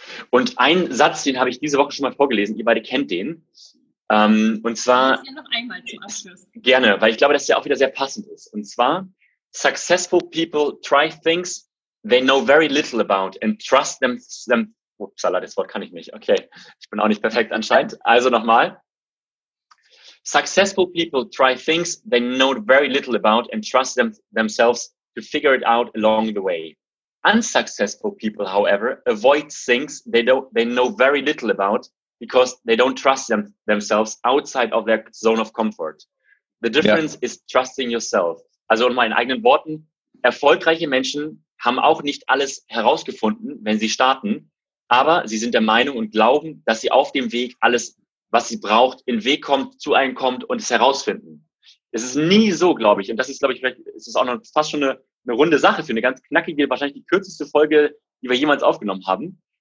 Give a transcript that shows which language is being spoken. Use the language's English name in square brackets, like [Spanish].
[German] Und ein Satz, den habe ich diese Woche schon mal vorgelesen, ihr beide kennt den. Und zwar, noch einmal zum Abschluss. Gerne, weil ich glaube, dass der auch wieder sehr passend ist. Und zwar, [English] successful people try things they know very little about and trust them. [German] Upsala, das Wort kann ich nicht. Okay, ich bin auch nicht perfekt anscheinend. Also nochmal. [English] Successful people try things they know very little about and trust themselves to figure it out along the way. Unsuccessful people, however, avoid things they know very little about because they don't trust themselves outside of their zone of comfort. The difference is trusting yourself. [German] Also in meinen eigenen Worten, erfolgreiche Menschen haben auch nicht alles herausgefunden, wenn sie starten, aber sie sind der Meinung und glauben, dass sie auf dem Weg alles, was sie braucht, in den Weg kommt, zu einem kommt und es herausfinden. Es ist nie so, glaube ich, und das ist, glaube ich, vielleicht ist auch noch fast schon eine runde Sache für eine ganz knackige, wahrscheinlich die kürzeste Folge, die wir jemals aufgenommen haben,